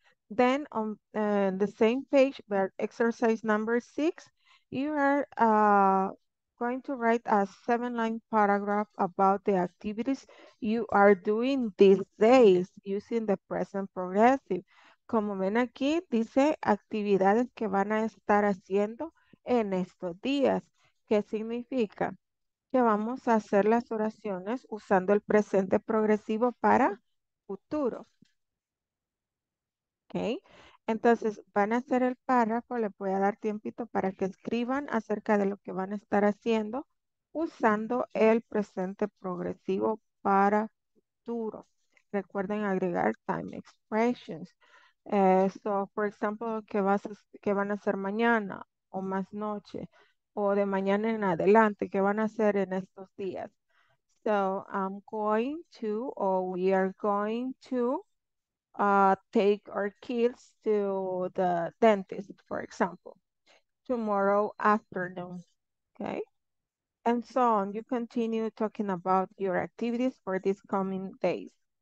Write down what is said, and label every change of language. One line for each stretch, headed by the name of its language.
English: Then on the same page where exercise number 6, you are going to write a 7-line paragraph about the activities you are doing these days using the present progressive.
Spanish: Como ven aquí, dice actividades que van a estar haciendo en estos días. ¿Qué significa? Que vamos a hacer las oraciones usando el presente progresivo para futuro. Okay. Entonces, van a hacer el párrafo, le voy a dar tiempito para que escriban acerca de lo que van a estar haciendo usando el presente progresivo para futuro. Recuerden agregar
English: time expressions. So, for example,
Spanish: ¿qué van a hacer mañana o más noche o de mañana en adelante? ¿Qué van a hacer en estos días?
English: So, I'm going to, or we are going to, take our kids to the dentist, for example, tomorrow afternoon, okay? And so on. You continue talking about your activities for these coming days.